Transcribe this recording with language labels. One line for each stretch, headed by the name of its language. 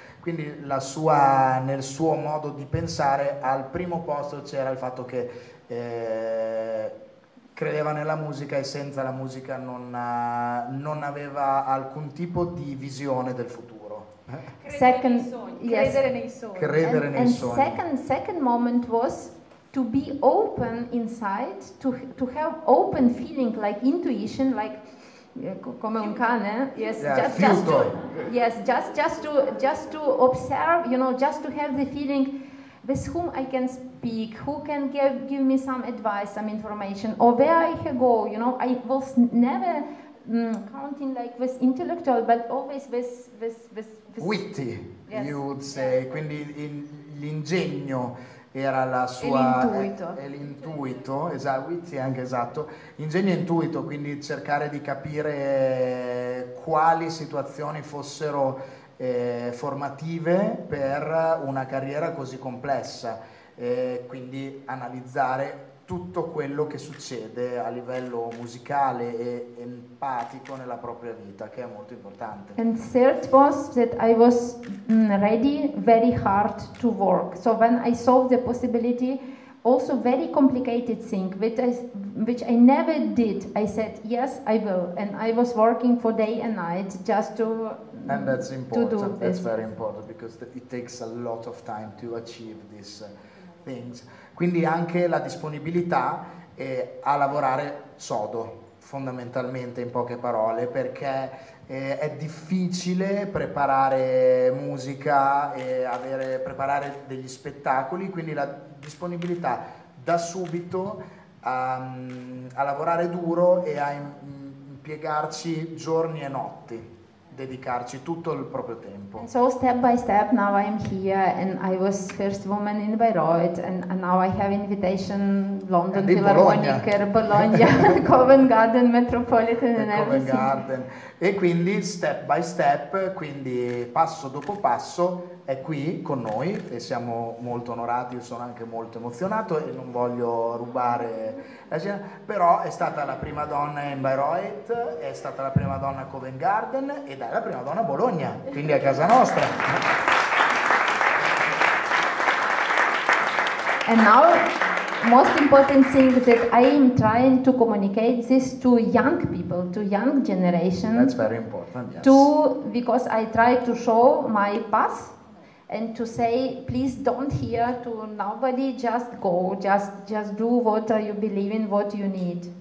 Italian: Quindi nel suo modo di pensare al primo posto c'era il fatto che credeva nella musica e senza la musica non aveva alcun tipo di visione del futuro. Second, credere nei sogni.
English: Second moment was to be open inside, to have open feeling, like intuition, like
Italian: come un cane,
English: just to observe, you know, just to have the feeling with whom I can speak, who can give me some advice, some information, or where I can go, you know. I was never counting like with intellectual, but always with witty, yes. You would say.
Italian: Quindi l'ingegno era la sua, e l'intuito, esatto, ingegno e intuito, quindi cercare di capire quali situazioni fossero formative per una carriera così complessa, e quindi analizzare tutto quello che succede a livello musicale e empatico nella propria vita, che è molto importante.
English: And third was that I was ready very hard to work. So when I saw the possibility, also very complicated thing, which I never did, I said yes, I will, and I was working for day and night just to. And that's important. To do this. That's very important because it takes a lot of time to achieve these things.
Italian: Quindi anche la disponibilità a lavorare sodo, fondamentalmente, in poche parole, perché è difficile preparare musica e preparare degli spettacoli, quindi la disponibilità da subito a lavorare duro e a impiegarci giorni e notti, dedicarci tutto il proprio tempo.
English: And so step by step now I'm here and I was first woman in Bayreuth and now I have invitation London Philharmonic, Bologna, Covent Garden, Metropolitan and Covent everything. Garden.
Italian: E quindi
English: step by step,
Italian: quindi passo dopo passo è qui con noi e siamo molto onorati, io sono anche molto emozionato e non voglio rubare la scena, però è stata la prima donna in Bayreuth, è stata la prima donna a Covent Garden ed è la prima donna a Bologna, quindi a casa nostra.
English: And now most important thing that I am trying to communicate this to young people, to young generation. That's very important, yes. To, because I try to show my path and to say, please don't hear to nobody, just go, just do what you believe in, what you need.